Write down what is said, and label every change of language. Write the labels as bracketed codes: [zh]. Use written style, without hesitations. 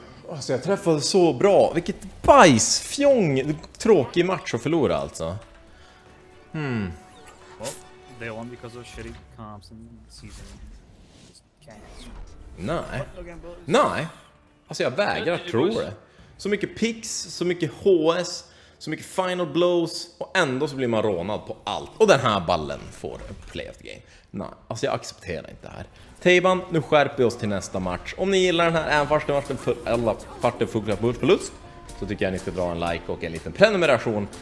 [sv] alltså jag träffade så bra. Vilket bajs, fjong, tråkig match att förlora alltså. [en] Well, they won because of shitty comps and season. [sv] Nej. Nej. Alltså jag vägrar tro det. Så mycket picks, så mycket HS, så mycket final blows och ändå så blir man rånad på allt. Och den här ballen får en play of the game. Nej, alltså jag accepterar inte det här. Tejban, nu skärper vi oss till nästa match. Om ni gillar den här första matchen för alla parter fokuserat på förlust, så tycker jag att ni ska dra en like och en liten prenumeration.